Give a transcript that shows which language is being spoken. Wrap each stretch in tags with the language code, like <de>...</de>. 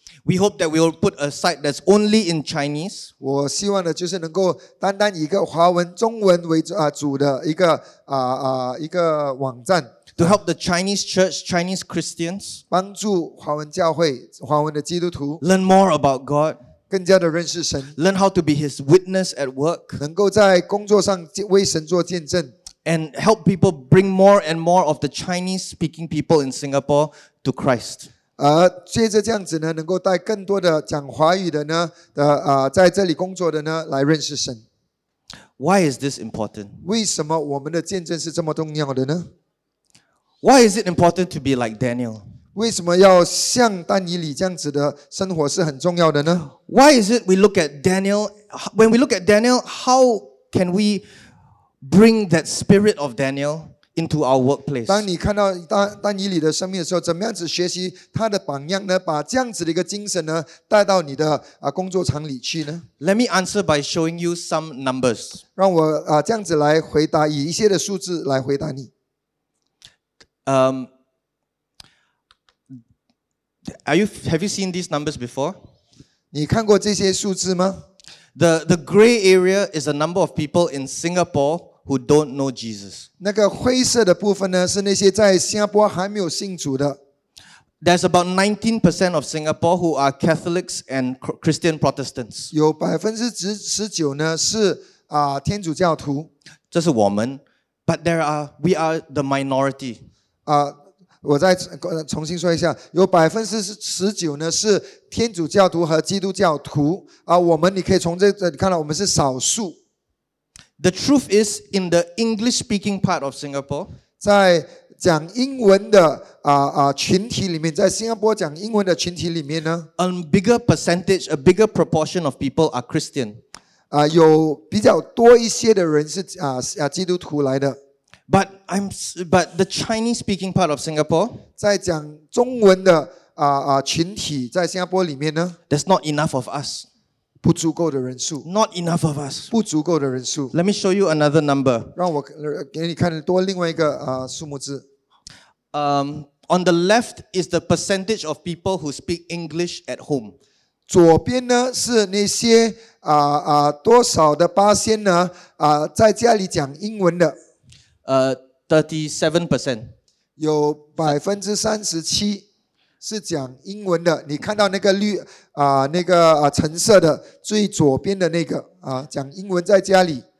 <en>We hope that we will put a site that's only in Chinese.</en> <zh>我希望的就是能够单单一个华文、中文为主的一个网站</zh> <en>to help the Chinese church, Chinese Christians,</en> <zh>帮助华文教会、华文的基督徒</zh> <en>learn more about God,</en> <zh>更加的认识神</zh> <en>learn how to be His witness at work,</en> <zh>能够在工作上为神做见证</zh> <en>and help people bring more and more of the Chinese-speaking people in Singapore to Christ.</en> <zh>而借着这样子呢能够带更多的讲华语的呢的在这里工作的呢来认识神。</zh> <en>Why is this important?</en> <zh>为什么我们的见证是这么重要的呢?</zh> <en>Why is it important to be like Daniel?</en> <zh>为什么要像丹尼里这样子的生活是很重要的呢?</zh> <en>Why is it we look at Daniel, when we look at Daniel, how can we bring that spirit of Daniel? Into our workplace.</en> <zh>当你看到丹尼里的生命的时候，怎么样子学习他的榜样呢？把这样子的一个精神呢，带到你的工作场里去呢</zh> <en>？Let me answer by showing you some numbers.</en> <zh>让我这样子来回答，以一些的数字来回答你。</zh> <en>Have you seen these numbers before?</en> <zh>你看过这些数字吗</zh> <en>？The gray area is the number of people in Singapore. Who don't know Jesus?</en> <zh>那个灰色的部分呢，是那些在新加坡还没有信主的。</zh> <en>There's about 19% of Singapore who are Catholics and Christian Protestants.</en> <zh>有19%呢是天主教徒。这是我们</zh> <en>，but we are the minority.</en> <zh>我再重新说一下，有19%呢是天主教徒和基督教徒我们你可以从这里看到，我们是少数。</zh> <en>The truth is in the English-speaking part of Singapore.</en> <zh>在讲英文的群体里面，在新加坡讲英文的群体里面呢</zh> <en>，a bigger percentage, a bigger proportion of people are Christian.</en> <zh>有比较多一些的人是基督徒来的。</zh> <en>But the Chinese-speaking part of Singapore.</en> <zh>在讲中文的群体在新加坡里面呢</zh> <en>，there's not enough of us.</en> <zh>不足够的人数</zh> <en>Not enough of us.</en> <zh>不足够的人数</zh> <en>Let me show you another number.</en> <zh>让我给你看多另外一个数目字</zh> <en>On the left is the percentage of people who speak English at home.</en> <zh>左边呢是那些多少的%呢在家里讲英文的</zh> <en>37%.</en> <zh>有37%是讲英文的你看到那个绿那个橙色的最左边的那个讲英文在家里</zh>